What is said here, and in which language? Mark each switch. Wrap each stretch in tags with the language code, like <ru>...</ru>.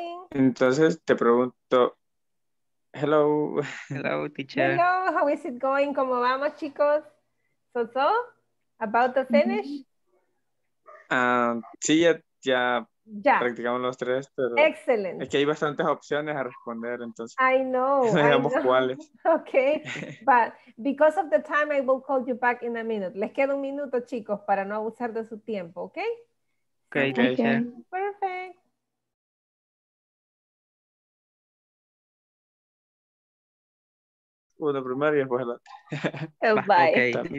<es>Entonces te pregunto.</es> <en>Hello. Hello, teacher. Hello, how is it going?</en> <es>¿Cómo vamos, chicos?</es> <en>So, about the finish?</en> <es>Sí, ya practicamos los tres, pero</es> <en>excellent.</en> <es>Es que hay bastantes opciones a responder, entonces.</es> <en>I know.</en> <es>No sabemos cuáles.</es> <en>Okay, but because of the time, I will call you back in a minute.</en> <es>Les queda un minuto, chicos, para no abusar de su tiempo, okay?</es> <en>Okay, okay. Perfect.</en> <es>Una primaria y después la</es> <en>otra. Oh, bye. Okay.</en>